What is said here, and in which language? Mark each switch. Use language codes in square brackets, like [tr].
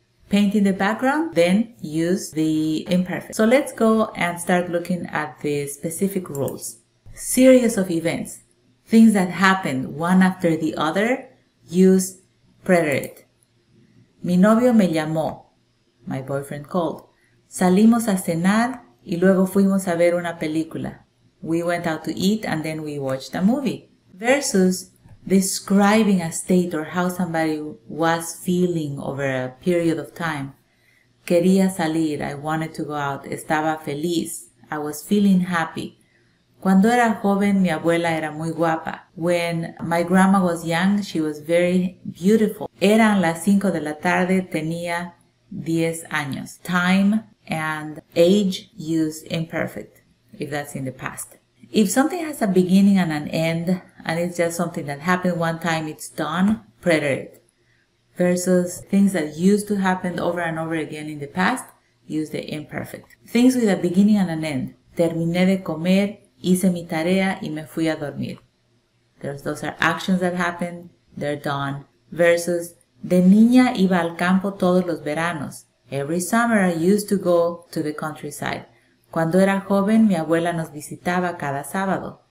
[en] Painting the background, then use the imperfect. So let's go and start looking at the specific rules. Series of events, things that happen one after the other, use preterite. [es] Mi novio me llamó. [en] My boyfriend called. [es] Salimos a cenar y luego fuimos a ver una película. [en] We went out to eat and then we watched a movie. Versus describing a state or how somebody was feeling over a period of time. [es] Quería salir. [en] I wanted to go out. [es] Estaba feliz. [en] I was feeling happy. [es] Cuando era joven, mi abuela era muy guapa. [en] When my grandma was young, she was very beautiful. [es] Eran las 5 de la tarde, tenía 10 años. [en] Time and age use imperfect, if that's in the past. If something has a beginning and an end, and it's just something that happened one time, it's done, preterite. Versus things that used to happen over and over again in the past, use the imperfect. Things with a beginning and an end. [es] Terminé de comer, hice mi tarea y me fui a dormir. [en] Those are actions that happen, they're done. [es] Versus, de niña iba al campo todos los veranos. [en] Every summer I used to go to the countryside. [es] Cuando era joven, mi abuela nos visitaba cada sábado.